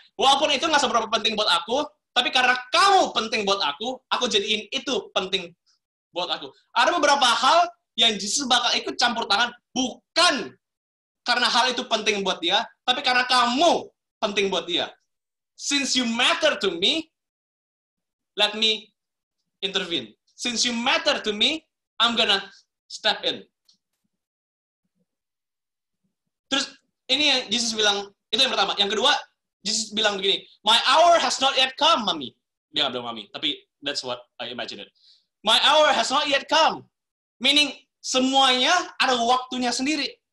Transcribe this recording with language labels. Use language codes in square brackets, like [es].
[id] Walaupun itu nggak seberapa penting buat aku, tapi karena kamu penting buat aku jadiin itu penting buat aku. Ada beberapa hal yang Jesus bakal ikut campur tangan bukan karena hal itu penting buat dia, tapi karena kamu penting buat dia. [en] Since you matter to me, let me intervene. Since you matter to me, I'm gonna step in. [id] Terus, ini yang Jesus bilang, itu yang pertama. Yang kedua, Jesus bilang begini, [en] my hour has not yet come, [id] mami. Dia gak bilang mami, tapi [en] that's what I imagined. My hour has not yet come. [id] Meaning, semuanya ada waktunya sendiri.